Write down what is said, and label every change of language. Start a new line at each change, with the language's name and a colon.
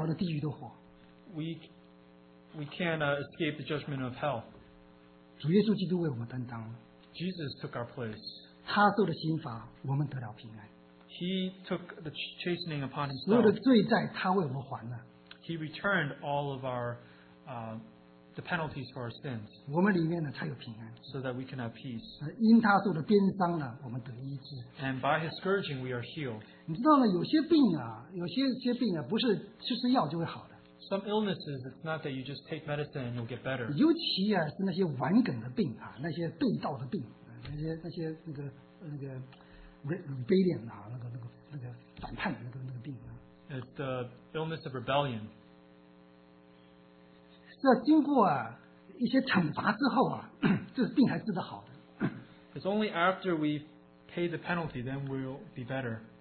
Chinese: 我们担当不了那地狱的火。We
English: can't escape the judgment of hell.
Chinese: 主耶稣基督为我们担当了。Jesus
English: took our place.
Chinese: 他受的刑罚，我们得了平安。He
English: took the chastening upon himself.
Chinese: 所有的罪债，他为我们还了。He
English: returned all of our the penalties for our sins.
Chinese: 我们里面呢，才有平安,
English: so that we can have peace.
Chinese: 因他受的鞭伤呢，我们得医治。
English: And by his scourging, we are healed.
Chinese: 你知道呢，有些病啊，有些病啊，不是吃药就会好的。
English: Some illnesses, it's not that you just take medicine and you'll get better.
Chinese: 尤其啊，是那些顽梗的病啊，那些悖道的病，那些那个rebellion啊，那个反叛的那个病啊。It's
English: the illness of rebellion.
Chinese: 要经过一些惩罚之后，这病还治得好的。It's
English: only after we pay the penalty, then we'll be better.